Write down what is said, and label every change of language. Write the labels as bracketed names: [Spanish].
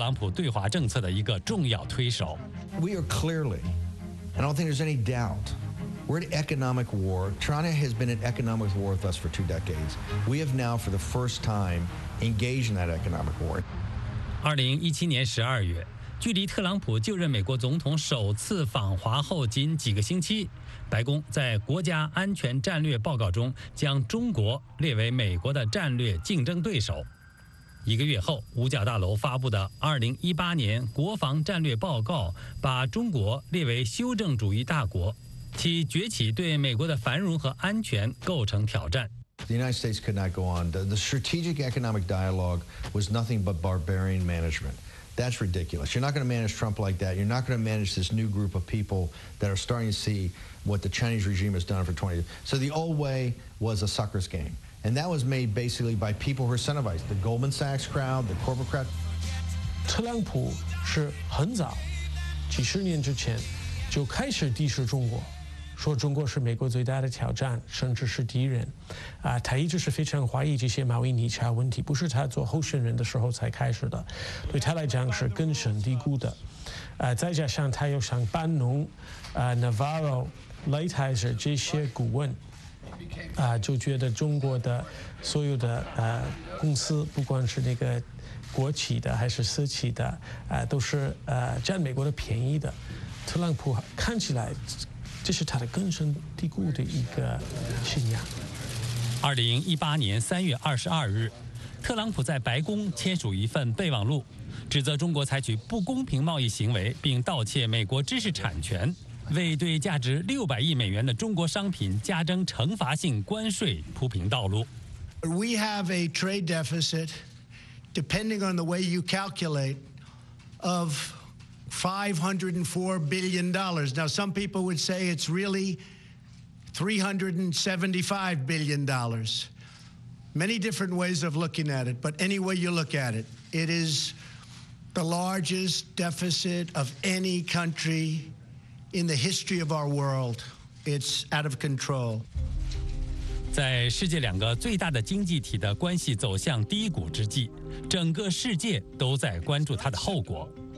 [Chinese] 在特朗普和他的一些核心幕僚看来，中国的不公平贸易行为以及美国大企业和华尔街大投行的贪婪，是导致美国蓝领工人和中产阶级面临经济困境的主因。在特朗普总统任期的初期，班农是特朗普对华政策的一个重要推手。 [English] We are clearly, and I don't think there's any doubt, we're at economic war. China has been in economic war with us for two decades. We have now, for the first time, engaged in that economic war. [Chinese] 2017年12月， 距离特朗普就任美国总统首次访华后仅几个星期，白宫在国家安全战略报告中将中国列为美国的战略竞争对手。一个月后，五角大楼发布的2018年国防战略报告把中国列为修正主义大国，其崛起对美国的繁荣和安全构成挑战。 [English] The United States could not go on. The strategic economic dialogue was nothing but barbarian management. That's ridiculous. You're not going to manage Trump like that. You're not going to manage this new group of people that are starting to see what the Chinese regime has done for 20 years. So the old way was a sucker's game. And that was made basically by people who are incentivized, the Goldman Sachs crowd, the corporate crowd. [Chinese] 特朗普是很早，几十年之前就开始敌视中国，说中国是美国最大的挑战，甚至是敌人。他一直是非常怀疑这些贸易逆差问题，不是他做候选人的时候才开始的，对他来讲是根深蒂固的。再加上他又想搬弄Navarro、Lighthizer 这些顾问，就觉得中国的所有的公司，不管是那个国企的还是私企的，都是占美国的便宜的。特朗普看起来，这是他的根深蒂固的一个信仰。 2018年3月22日，特朗普在白宫签署一份备忘录，指责中国采取不公平贸易行为，并盗窃美国知识产权，为对价值600亿美元的中国商品加征惩罚性关税铺平道路。 [English] We have a trade deficit, depending on the way you calculate, of $504 billion. Now, some people would say it's really $375 billion. Many different ways of looking at it, but any way you look at it, it is the largest deficit of any country. In the history of our world, it's out of control. [Chinese] 在世界两个最大的经济体的关系走向低谷之际，整个世界都在关注它的后果。